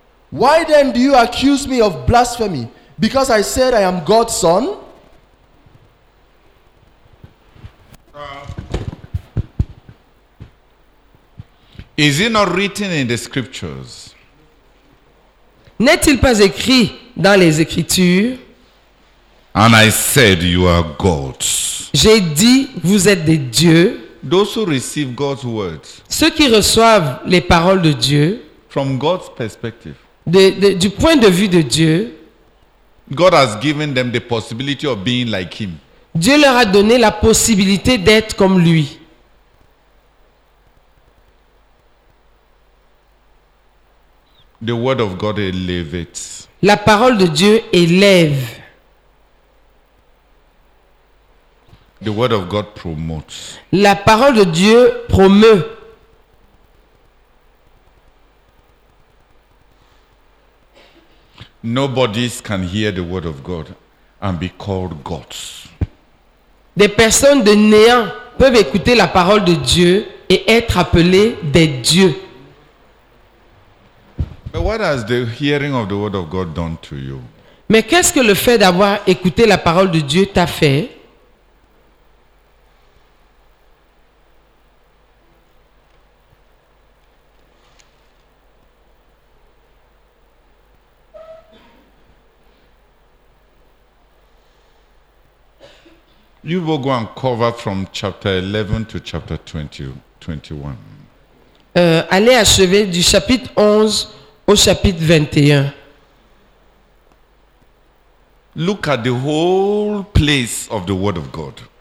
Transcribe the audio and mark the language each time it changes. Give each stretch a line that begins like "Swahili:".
English: Why then do you accuse me of blasphemy because I said I am God's son?" Is it not written in the scriptures?
French: N'est-il pas écrit dans les écritures?
English: "And I said you are gods."
French: J'ai dit vous êtes des dieux.
English: Those who receive God's words.
French: Ceux qui reçoivent les paroles de Dieu.
English: From God's perspective.
French: Du point de vue de Dieu.
English: God has given them the possibility of being like him.
French: Dieu leur a donné la possibilité d'être comme lui.
English: The word of God elevates.
French: La parole de Dieu élève.
English: The word of God promotes.
French: La parole de Dieu promeut.
English: Nobody can hear the word of God and be called gods.
French: Des personnes de néant peuvent écouter la parole de Dieu et être appelées des dieux.
English: But what has the hearing of the word of God done to you?
French: Mais qu'est-ce que le fait d'avoir écouté la parole de Dieu t'a fait?
English: You will go and cover from chapter 11 to chapter 20-21.
French: Allez achever du chapitre 11 au chapitre 21.
English: Look at the whole place of the word of God.